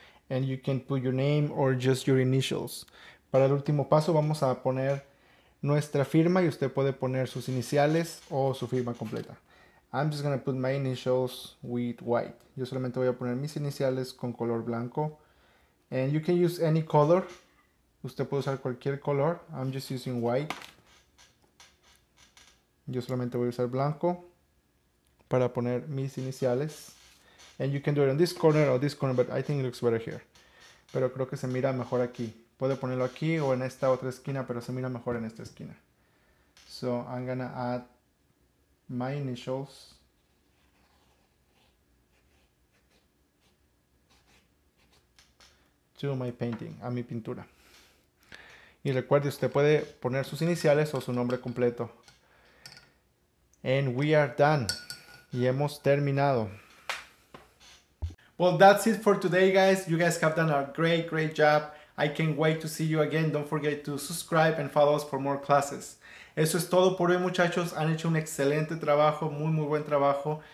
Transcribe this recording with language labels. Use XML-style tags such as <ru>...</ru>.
<en>And you can put your name or just your initials.</en> <es>Para el último paso, vamos a poner nuestra firma y usted puede poner sus iniciales o su firma completa.</es> <en>I'm just gonna put my initials with white.</en> <es>Yo solamente voy a poner mis iniciales con color blanco.</es> <en>And you can use any color.</en> <es>Usted puede usar cualquier color.</es> <en>I'm just using white.</en> <es>Yo solamente voy a usar blanco para poner mis iniciales.</es> <en>And you can do it on this corner or this corner, but I think it looks better here.</en> <es>Pero creo que se mira mejor aquí. Puede ponerlo aquí o en esta otra esquina, pero se mira mejor en esta esquina.</es> <en>So I'm gonna add my initials. My painting,</en> <es>a mi pintura. Y recuerde, usted puede poner sus iniciales o su nombre completo.</es> <en>And we are done.</en> <es>Y hemos terminado.</es> <en>Well, that's it for today, guys. You guys have done a great, great job. I can't wait to see you again. Don't forget to subscribe and follow us for more classes.</en> <es>Eso es todo por hoy, muchachos. Han hecho un excelente trabajo, muy, muy buen trabajo.</es>